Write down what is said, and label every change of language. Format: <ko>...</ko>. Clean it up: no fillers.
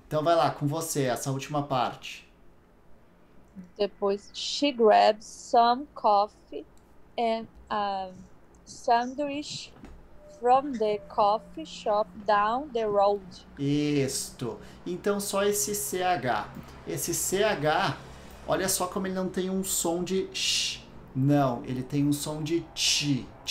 <pt>Então vai lá com você, essa última parte. Depois,</pt> <en>she grabs some coffee and a sandwich from the coffee shop down the road.</en> <pt>Isto. Então só esse CH. Esse CH, olha só como ele não tem um som de sh. Não, ele tem um som de ti.</pt>